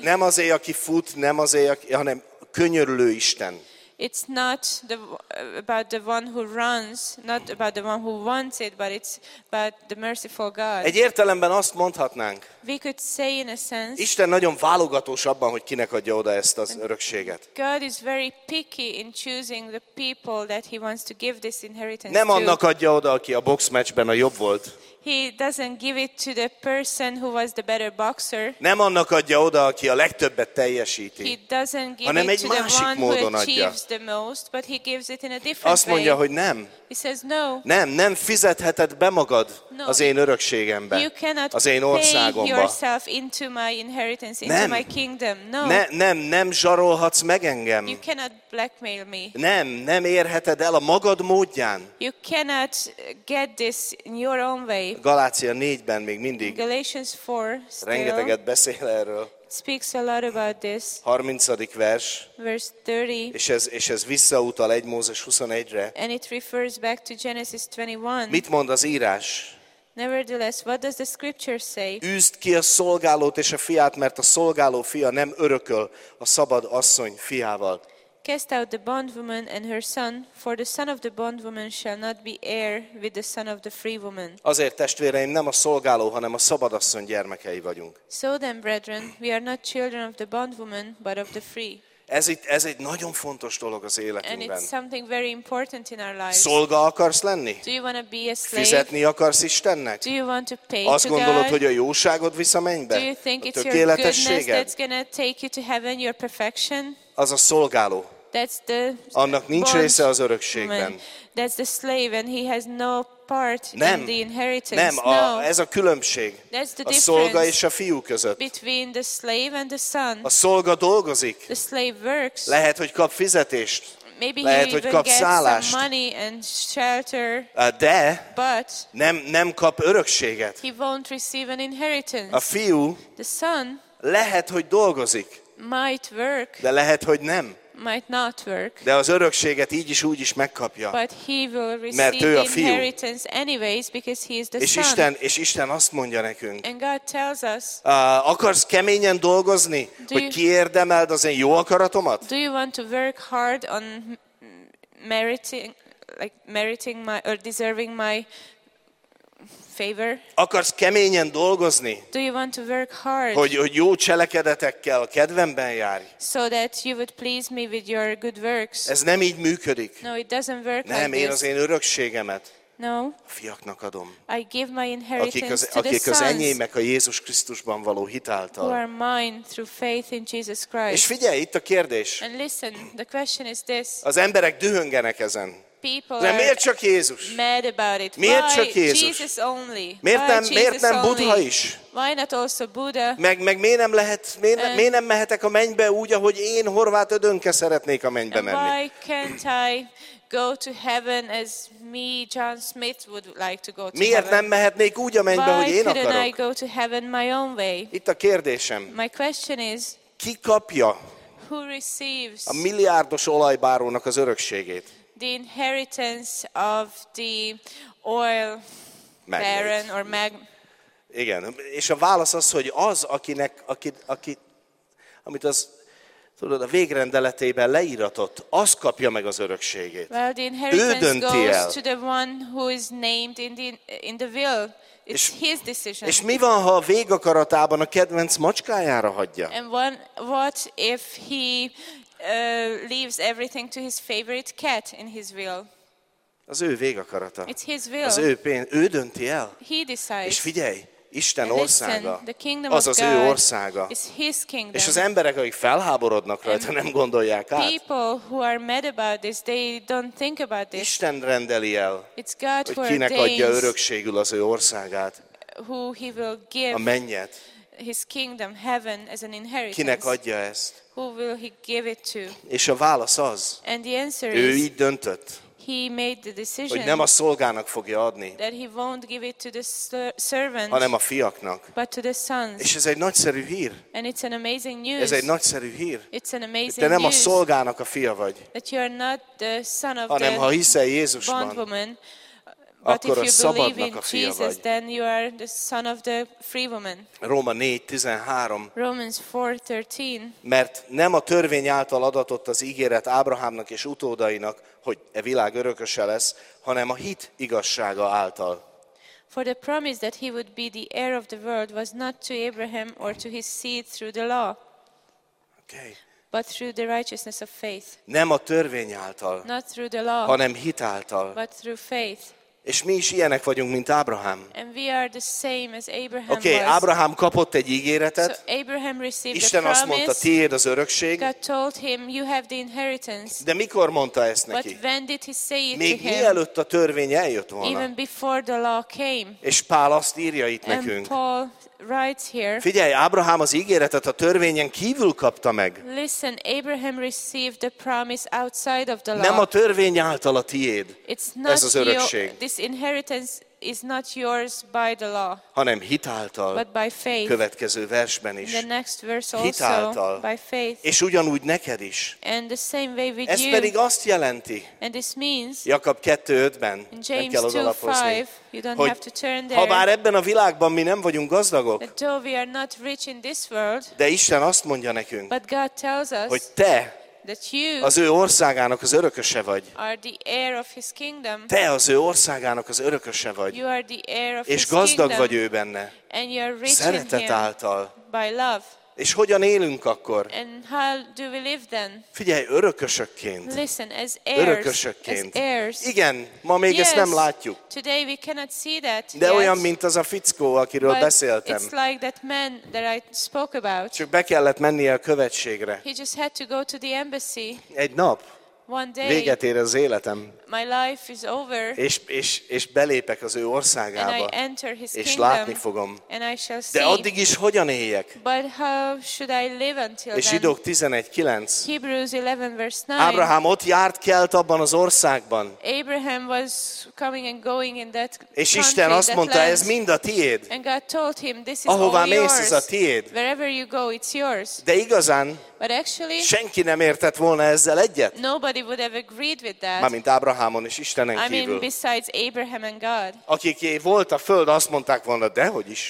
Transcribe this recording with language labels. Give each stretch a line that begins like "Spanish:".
Hungarian: Nem azért, aki fut, nem azért, hanem könyörülő Isten.
English: It's not about the one who runs, not about the one who wants it, but it's about the merciful God.
Hungarian: Egy értelemben azt mondhatnánk.
English: We could say in a sense.
Hungarian: Isten nagyon válogatós abban, hogy kinek adja oda ezt az örökséget.
English: God is very picky in choosing the people that he wants to give this inheritance to.
Hungarian: Nem annak adja oda, aki a boxmeccsben a jobb volt.
English: He doesn't give it to the person who was the better boxer.
Hungarian: Nem annak adja oda, aki a legtöbbet teljesíti.
English: He doesn't give it to the one who achieves the most, but he gives it in a different way.
Hungarian: Azt mondja, hogy nem.
English: He says no.
Hungarian: Nem fizetheted be magad
English: no,
Hungarian: az én örökségembe,
English: you cannot
Hungarian: az én országomba.
English: Pay yourself into my inheritance, into
Hungarian: nem.
English: My kingdom. No.
Hungarian: Nem zsarolhatsz meg engem.
English: You cannot blackmail me.
Hungarian: Nem érheted el a magad módján.
English: You cannot get this in your own way.
Hungarian: Galácia 4-ben még mindig.
English: Galatians 4 still.
Hungarian: Rengeteget beszél erről.
English: Speaks a lot about this.
Hungarian: 30. vers.
English: Verse 30.
Hungarian: És ez visszautal 1 Mózes 21-re.
English: And it refers back to Genesis 21.
Hungarian: Mit mond az írás?
English: Nevertheless, what does the scripture say?
Hungarian: Üzd ki a szolgálót és a fiát, mert a szolgáló fia nem örököl a szabad asszony fiával.
English: Cast out the bondwoman and her son, for the son of the bondwoman shall not be heir with the son of the free woman.
Hungarian: Azért testvéreim, nem a szolgáló, hanem a szabadasszony gyermekei vagyunk.
English: So then, brethren, we are not children of the bondwoman, but of the free.
Hungarian: Ez egy nagyon fontos dolog az életünkben.
English: And it's something very important in our lives.
Hungarian: Szolga akarsz lenni?
English: Do you want to be a slave?
Hungarian: Fizetni akarsz Istennek?
English: Do you want to pay
Hungarian: azt
English: to
Hungarian: gondolod,
English: God?
Hungarian: Hogy a jóságod visz a mennybe?
English: Do you think it's your goodness that's going to take you to heaven, your perfection?
Hungarian: Az a szolgáló.
English: That's the
Hungarian: annak nincs része az örökségben.
English: That's the slave and he has no part
Hungarian: nem.
English: In the inheritance.
Hungarian: Nem,
English: no.
Hungarian: Ez a különbség.
English: That's the
Hungarian: a szolga és a fiú között.
English: Between the slave and the son.
Hungarian: A szolga dolgozik.
English: The slave works.
Hungarian: Lehet, hogy kap fizetést.
English: Maybe
Hungarian: lehet,
English: he
Hungarian: hogy kap szállást.
English: Some money and shelter.
Hungarian: De
English: but
Hungarian: nem kap örökséget.
English: He won't receive an inheritance.
Hungarian: A fiú
English: the son
Hungarian: lehet, hogy dolgozik.
English: might work.
Hungarian: De lehet, hogy nem.
English: Might not work.
Hungarian: De az örökséget így is úgy is megkapja.
English: But he will receive,
Hungarian: mert ő a fiú.
English: Inheritance anyways because he is the
Hungarian: és
English: son.
Hungarian: És Isten azt mondja nekünk.
English: And God tells us.
Hungarian: Akarsz keményen dolgozni, hogy kiérdemeld az én jó akaratomat?
English: Do you want to work hard on meriting, like meriting my or deserving my favor?
Hungarian: Akarsz keményen dolgozni?
English: Do you want to work hard?
Hungarian: Hogy jó cselekedetekkel kedvemben járj.
English: So that you would please me with your good works.
Hungarian: Ez nem így működik.
English: No, it doesn't work
Hungarian: nem,
English: like
Hungarian: én
English: this.
Hungarian: Az én örökségemet.
English: No.
Hungarian: A fiaknak adom.
English: I give my inheritance
Hungarian: akik az,
English: to
Hungarian: akik
English: the sons.
Hungarian: Akik az enyémek a Jézus Krisztusban való hitáltal.
English: Who are mine through faith in Jesus Christ.
Hungarian: És figyelj, itt a kérdés.
English: And listen, the question is this.
Hungarian: Az emberek dühöngenek ezen. De miért csak Jézus?
English: Mad about it.
Hungarian: Miért
English: Why
Hungarian: csak Jézus?
English: Jesus only?
Hungarian: Miért nem Buddha is?
English: Why not also Buddha?
Hungarian: Meg miért nem lehet, miért nem mehetek a mennybe úgy, ahogy én Horváth Ödönke szeretnék a mennybe menni?
English: Why can't I go to heaven as me, John Smith would like to go to heaven?
Hungarian: Miért nem mehetnék úgy a mennybe, hogy én akarok?
English: Why couldn't I go to heaven my own way?
Hungarian: Itt a kérdésem.
English: My question is.
Hungarian: Ki kapja?
English: Who receives?
Hungarian: A milliárdos olajbárónak az örökségét.
English: The inheritance of the oil magnet. Baron or mag.
Hungarian: Igen, és a válasz az, hogy az, akinek, aki, amit az, tudod, a végrendeletében leíratott, az kapja meg az örökségét.
English: Well, the inheritance goes el. To the one who is named in the will. It's his decision.
Hungarian: És mi van, ha a végakaratában a kedvenc macskájára hagyja?
English: And what if he leaves everything to his favorite cat in his will.
Hungarian: Az ő végakarata.
English: It's his will.
Hungarian: Az ő pénz, ő dönti el.
English: He decides.
Hungarian: És figyelj, Isten
English: And
Hungarian: országa.
English: Listen, the kingdom
Hungarian: az
English: of
Hungarian: az
English: God
Hungarian: ő országa.
English: Is his kingdom.
Hungarian: És az emberek, akik felháborodnak rajta,
English: And
Hungarian: nem gondolják át.
English: People who are mad about this, they don't think about this.
Hungarian: Isten rendeli el.
English: It's God
Hungarian: hogy kinek
English: who
Hungarian: adja örökségül az ő országát.
English: Who he will give.
Hungarian: A mennyet.
English: His kingdom, heaven, as an inheritance.
Hungarian: Kinek adja ezt?
English: Who will he give it to?
Hungarian: És a válasz az.
English: And the answer
Hungarian: ő
English: is.
Hungarian: Ő így döntött.
English: He made the decision.
Hungarian: Hogy nem a szolgának fogja adni.
English: That he won't give it to the servant.
Hungarian: Hanem a fiaknak.
English: But to the sons.
Hungarian: És ez egy nagyszerű hír.
English: And it's an amazing news.
Hungarian: Ez egy nagyszerű hír.
English: It's an amazing news.
Hungarian: Te nem
English: news.
Hungarian: A szolgának a fia vagy.
English: That you are not the son of
Hungarian: hanem,
English: the
Hungarian: ha hiszel Jézusban,
English: bondwoman. But
Hungarian: akkor
English: if you believe in Jesus,
Hungarian: vagy.
English: Then you are the son of the free woman. Romans 4:13.
Hungarian: Mert nem a törvény által adatott az ígéret Ábrahámnak és utódainak, hogy e világ örököse lesz, hanem a hit igazsága által.
English: For the promise that he would be the heir of the world was not to Abraham or to his seed through the law. Okay. But through the righteousness of faith.
Hungarian: Nem a törvény által.
English: Not through the law.
Hungarian: Hanem hit által.
English: But through faith.
Hungarian: És mi is ilyenek vagyunk, mint Ábrahám.
English: And we are the same as Abraham.
Hungarian: Okay, Ábrahám kapott egy ígéretet.
English: So Abraham received
Hungarian: Isten
English: the promise.
Hungarian: Isten azt mondta, tiéd az örökség.
English: God told him, you have the inheritance.
Hungarian: De mikor mondta ezt neki?
English: But when did he say it
Hungarian: Még
English: to him?
Hungarian: Még mielőtt a törvény eljött volna.
English: Even before the law came.
Hungarian: És Pál azt írja itt nekünk.
English: And Paul writes here.
Hungarian: Figyelj, Ábrahám az ígéretet a törvényen kívül kapta meg.
English: Listen, Abraham received the promise outside of the law.
Hungarian: Nem a törvény által a tiéd.
English: It's not
Hungarian: ez az örökség.
English: This inheritance is not yours by the law.
Hungarian: Hanem hit által.
English: But by faith.
Hungarian: Következő versben is.
English: In the next verse also.
Hungarian: Hit által.
English: By faith.
Hungarian: És ugyanúgy neked is.
English: And the same way with
Hungarian: ez
English: you.
Hungarian: Ez pedig azt jelenti.
English: And this means.
Hungarian: Jakab 2:5-ben.
English: In James 2:5. You don't
Hungarian: hogy
English: have to turn there.
Hungarian: Habár ebben a világban mi nem vagyunk gazdagok.
English: That though we are not rich in this world.
Hungarian: De Isten azt mondja nekünk.
English: But God tells us.
Hungarian: Hogy te.
English: That you
Hungarian: az ő országának az örököse vagy.
English: Are the heir of his kingdom.
Hungarian: Te az ő országának az örököse vagy.
English: You are the heir of
Hungarian: és
English: his
Hungarian: gazdag
English: kingdom.
Hungarian: Vagy ő benne.
English: And you are rich
Hungarian: szeretet
English: in him
Hungarian: által.
English: By love.
Hungarian: És hogyan élünk akkor?
English: And how do we live then?
Hungarian: Figyelj, örökösökként.
English: Listen, as heirs,
Hungarian: örökösökként.
English: As heirs.
Hungarian: Igen, ma még
English: yes,
Hungarian: ezt nem látjuk.
English: Today we cannot see that
Hungarian: de
English: yet.
Hungarian: Olyan, mint az a fickó, akiről
English: But
Hungarian: beszéltem.
English: It's like that man that I spoke about.
Hungarian: Csak be kellett mennie a követségre.
English: He just had to go to the embassy.
Hungarian: Egy nap.
English: One day,
Hungarian: véget ér az életem.
English: My life is over.
Hungarian: És belépek az ő országába.
English: And I enter his
Hungarian: és
English: kingdom,
Hungarian: látni fogom.
English: And I shall see.
Hungarian: De addig is hogyan éljek?
English: But how should I live until
Hungarian: és Zsidók 11:9.
English: Hebrews 11 verse 9.
Hungarian: Ábrahám ott járt kelt abban az országban.
English: Abraham was coming and going in that country,
Hungarian: és Isten azt mondta, ez mind a tiéd.
English: And God told him, this is
Hungarian: ahová
English: all
Hungarian: mész,
English: yours.
Hungarian: Ez a tiéd.
English: Wherever you go, it's yours.
Hungarian: De igazán
English: but actually,
Hungarian: senki nem értett volna ezzel egyet.
English: Nobody would have agreed with that.
Hungarian: Mármint Ábrahámon és Istenen kívül.
English: I mean, besides Abraham and God.
Hungarian: Akik volt a föld, azt mondták volna, dehogy is.